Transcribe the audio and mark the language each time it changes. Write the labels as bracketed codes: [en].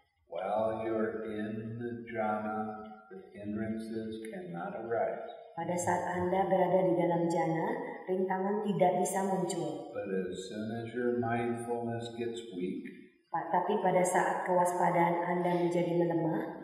[en] While you're in the jhana, the hindrances cannot arise. [id] Pada saat Anda berada di dalam jhana, rintangan tidak bisa muncul. [en] But as soon as your mindfulness gets weak, [id] tapi pada saat kewaspadaan Anda menjadi melemah,